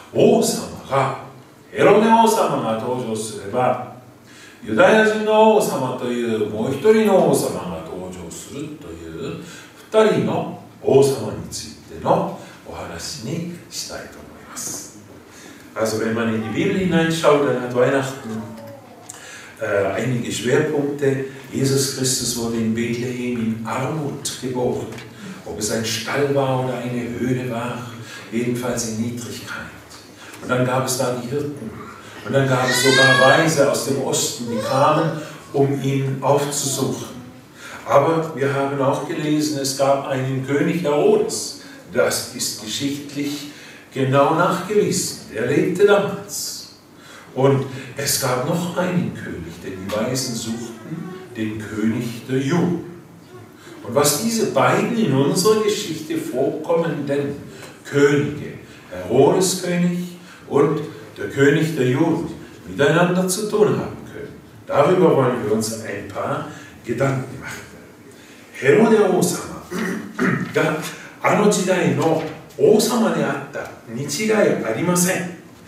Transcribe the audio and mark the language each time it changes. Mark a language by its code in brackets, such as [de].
[ja] 王様が、エロデ王様が登場すれば、ユダヤ人の王様というもう一人の王様が登場するという二人の王様についてのお話にしたいと思います。 [de] Also wenn man in die Bibel hineinschaut, dann hat Weihnachten einige Schwerpunkte. Jesus Christus wurde in Bethlehem in Armut geboren. Ob es ein Stall war oder eine Höhle war, jedenfalls in Niedrigkeit. Und dann gab es da die Hirten. Und dann gab es sogar Weise aus dem Osten, die kamen, um ihn aufzusuchen. Aber wir haben auch gelesen, es gab einen König Herodes. Das ist geschichtlich genau nachgewiesen. Er lebte damals. Und es gab noch einen König, denn die Weisen suchten den König der Juden. Und was diese beiden in unserer Geschichte vorkommenden Könige, Herodes König und der König der Juden, miteinander zu tun haben können, darüber wollen wir uns ein paar Gedanken machen. [ja] Herodes der あの時代の王様であった日違いはありません。